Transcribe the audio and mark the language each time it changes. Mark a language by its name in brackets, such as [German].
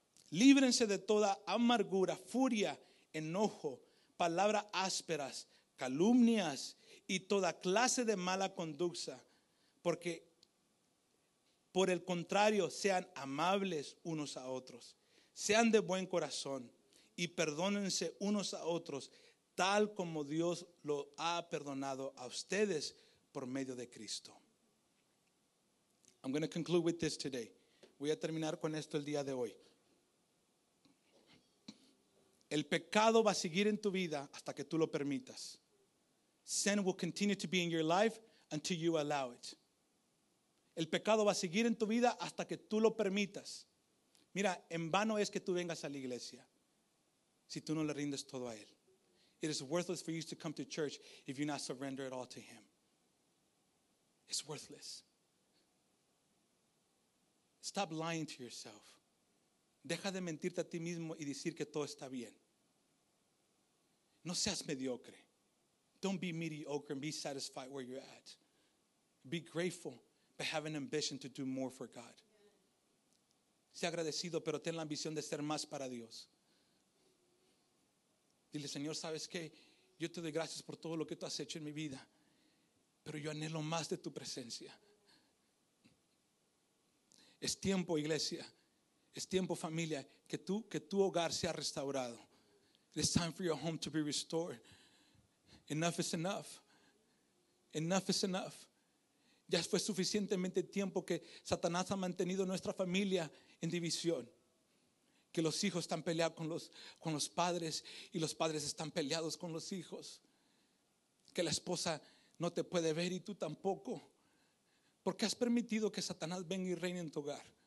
[Spanish] Líbrense de toda amargura, furia, enojo, palabras ásperas, calumnias y toda clase de mala conducta, porque por el contrario, sean amables unos a otros, sean de buen corazón y perdónense unos a otros, tal como Dios lo ha perdonado a ustedes por medio de Cristo. [English] I'm going to conclude with this today. [Spanish] Voy a terminar con esto el día de hoy. El pecado va a seguir en tu vida hasta que tú lo permitas. [English] Sin will continue to be in your life until you allow it. [Spanish] El pecado va a seguir en tu vida hasta que tú lo permitas. Mira, en vano es que tú vengas a la iglesia si tú no le rindes todo a Él. [English] It is worthless for you to come to church if you not surrender it all to Him. It's worthless. Stop lying to yourself. [Spanish] Deja de mentirte a ti mismo y decir que todo está bien. No seas mediocre. [English] Don't be mediocre and be satisfied where you're at. Be grateful, but have an ambition to do more for God. [Spanish] Sea agradecido, pero ten la ambición de ser más para Dios. Dile, Señor, ¿sabes qué? Yo te doy gracias por todo lo que tú has hecho en mi vida, pero yo anhelo más de tu presencia. Es tiempo, iglesia. Es tiempo, familia, que tu hogar sea restaurado. [English] It's time for your home to be restored. Enough is enough. Enough is enough. [Spanish] Ya fue suficientemente tiempo que Satanás ha mantenido nuestra familia en división. Que los hijos están peleados con los padres y los padres están peleados con los hijos. Que la esposa no te puede ver y tú tampoco. ¿Por qué has permitido que Satanás venga y reine en tu hogar?